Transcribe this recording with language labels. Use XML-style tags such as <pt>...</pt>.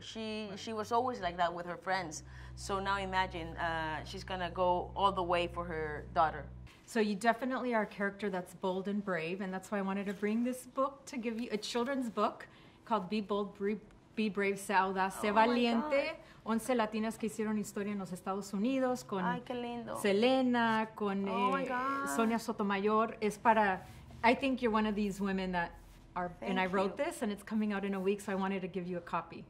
<en>She was always like that with her friends. So now imagine she's gonna go all the way for her daughter. So you definitely are a character that's bold and brave, and that's why I wanted to bring this book to give you a children's book called Be Bold, Be Brave, Se Audaz, Se Valiente.</en> <es>11 Latinas que hicieron historia en los Estados Unidos con Selena, con Sonia Sotomayor. Es para,</es> <en>I think you're one of these women that are, Thank you. I wrote this and it's coming out in a week, so I wanted to give you a copy.</en>